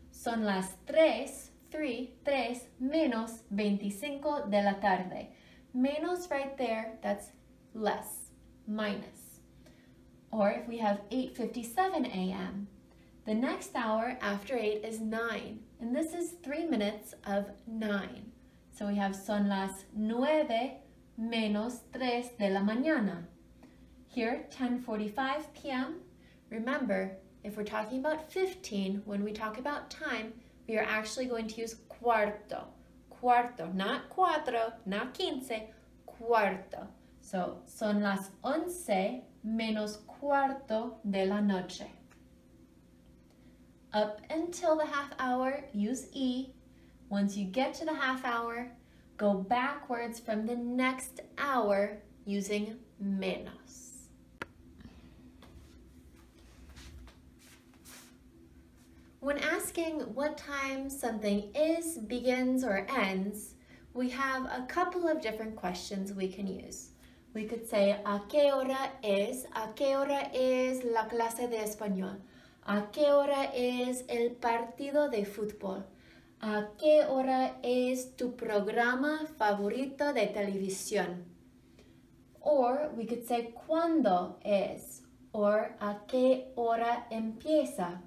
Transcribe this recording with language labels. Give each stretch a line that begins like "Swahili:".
Spanish: Son las 3 menos 25 de la tarde.
English: Menos right there, that's less, minus. Or if we have 8:57 a.m., the next hour after 8 is 9, and this is 3 minutes of 9. So we have
Spanish: son las 9 menos 3 de la mañana.
English: Here, 10:45 p.m. Remember, if we're talking about 15, when we talk about time, we are actually going to use cuarto. Cuarto, not cuatro, not quince, cuarto.
Spanish: So, son las 11 menos cuarto de la noche.
English: Up until the half hour, use y. Once you get to the half hour, go backwards from the next hour using menos. When asking what time something is, begins, or ends, we have a couple of different questions we can use. We could say,
Spanish: ¿A qué hora es? ¿A qué hora es la clase de español? ¿A qué hora es el partido de fútbol? ¿A qué hora es tu programa favorito de televisión?
English: Or we could say,
Spanish: ¿Cuándo es?
English: Or,
Spanish: ¿a qué hora empieza?